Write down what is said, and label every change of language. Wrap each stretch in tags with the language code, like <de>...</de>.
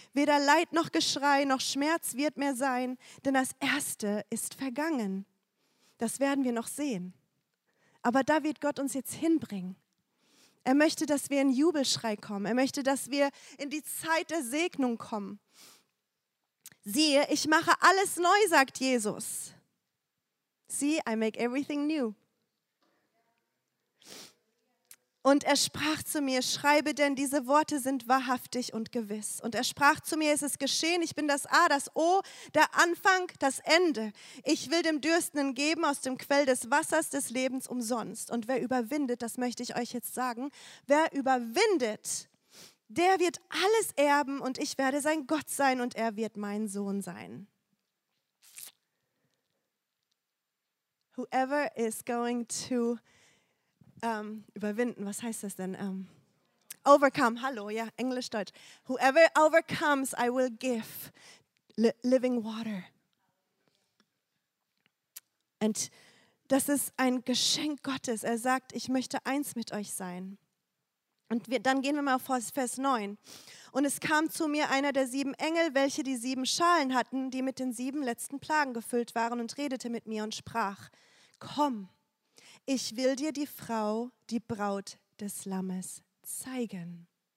<de>Weder Leid noch Geschrei noch Schmerz wird mehr sein, denn das Erste ist vergangen. Das werden wir noch sehen. Aber da wird Gott uns jetzt hinbringen. Er möchte, dass wir in Jubelschrei kommen. Er möchte, dass wir in die Zeit der Segnung kommen. Siehe, ich mache alles neu, sagt Jesus.</de> <en>See, I make everything new.</en> <de>Und er sprach zu mir, schreibe, denn diese Worte sind wahrhaftig und gewiss. Und er sprach zu mir, es ist geschehen, ich bin das A, das O, der Anfang, das Ende. Ich will dem Dürstenden geben aus dem Quell des Wassers des Lebens umsonst. Und wer überwindet, das möchte ich euch jetzt sagen, wer überwindet, der wird alles erben und ich werde sein Gott sein und er wird mein Sohn sein.</de> <en>Whoever is going to</en> <de>überwinden, was heißt das denn?</de> <en>Overcome,</en> <de>hallo, ja, Englisch, Deutsch.</de> <en>Whoever overcomes, I will give living water.</en> <de>Und das ist ein Geschenk Gottes. Er sagt, ich möchte eins mit euch sein. Und wir, dann gehen wir mal auf Vers 9. Und es kam zu mir einer der sieben Engel, welche die sieben Schalen hatten, die mit den sieben letzten Plagen gefüllt waren und redete mit mir und sprach, komm, ich will dir die Frau, die Braut des Lammes, zeigen.</de>